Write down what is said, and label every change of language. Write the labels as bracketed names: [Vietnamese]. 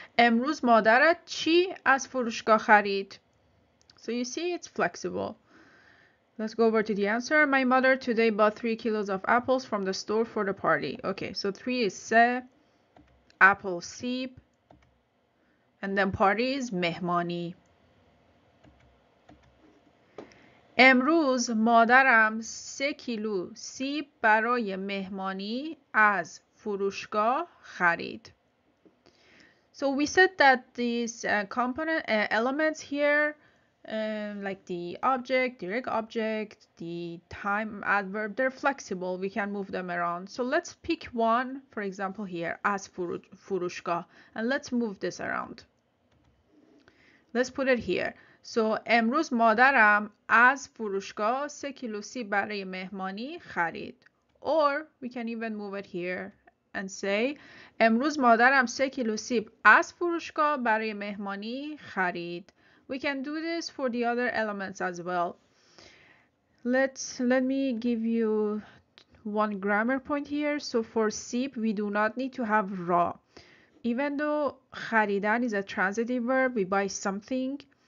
[Persian] امروز مادرت چی از فروشگاه خرید؟ [English] So you see, it's flexible. Let's go over to the answer. My mother today bought 3 kilos of apples from the store for the party. Okay, so 3 is se, apple sip, and then party is mehmani. [Persian] امروز مادرم 3 کیلو سیب برای مهمانی از فروشگاه خرید. [English] So we said that these component elements here, like the object, direct object, the time adverb, they're flexible. We can move them around. So let's pick one, for example here, as فروشگاه, and let's move this around. Let's put it here. [Persian] So امروز مادرم از فروشگاه 3 کیلو سیب برای مهمانی خرید. [English] Or we can even move it here and say [Persian] امروز مادرم 3 کیلو سیب از فروشگاه برای مهمانی خرید. [English] We can do this for the other elements as well. Let me give you one grammar point here. So for سیب we do not need to have را. Even though خریدن is a transitive verb, we buy something.